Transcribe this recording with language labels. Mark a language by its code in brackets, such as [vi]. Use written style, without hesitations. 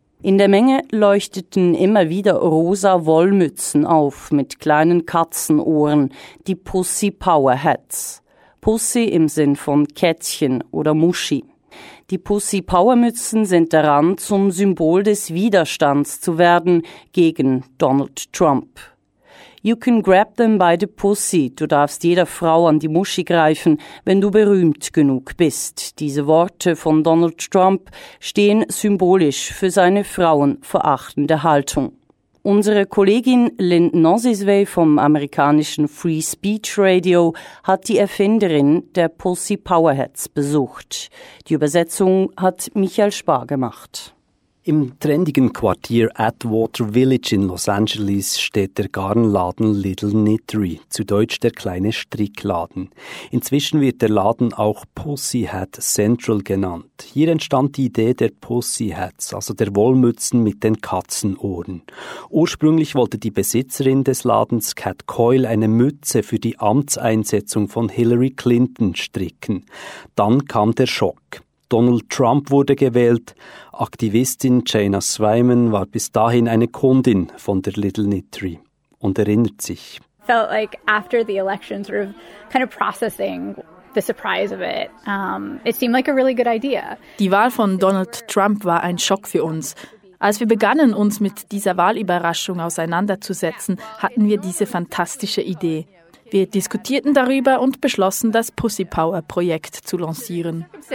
[de] In der Menge leuchteten immer wieder rosa Wollmützen auf mit kleinen Katzenohren, die Pussy Power Hats. Pussy im Sinn von Kätzchen oder Muschi. Die Pussy Power Mützen sind daran, zum Symbol des Widerstands zu werden gegen Donald Trump. [en] You can grab them by the pussy. [de] Du darfst jeder Frau an die Muschi greifen, wenn du berühmt genug bist. Diese Worte von Donald Trump stehen symbolisch für seine frauenverachtende Haltung. Unsere Kollegin Lynn Nosisway vom amerikanischen Free Speech Radio hat die Erfinderin der Pussy Power Hats besucht. Die Übersetzung hat Michael Spar gemacht. Im trendigen Quartier Atwater Village in Los Angeles steht der Garnladen Little Knittery, zu Deutsch der kleine Strickladen. Inzwischen wird der Laden auch Pussy Hat Central genannt. Hier entstand die Idee der Pussy Hats, also der Wollmützen mit den Katzenohren. Ursprünglich wollte die Besitzerin des Ladens, Kat Coyle, eine Mütze für die Amtseinsetzung von Hillary Clinton stricken. Dann kam der Schock. Donald Trump wurde gewählt. Aktivistin Jaina Swyman war bis dahin eine Kundin von der Little Knittery und erinnert sich. [en] Felt like after the election, sort of kind of processing the surprise of it. It seemed like a really good idea. [de] Die Wahl von Donald Trump war ein Schock für uns. Als wir begannen, uns mit dieser Wahlüberraschung auseinanderzusetzen, hatten wir diese fantastische Idee. Wir diskutierten darüber und beschlossen, das Pussy Power Projekt zu lancieren.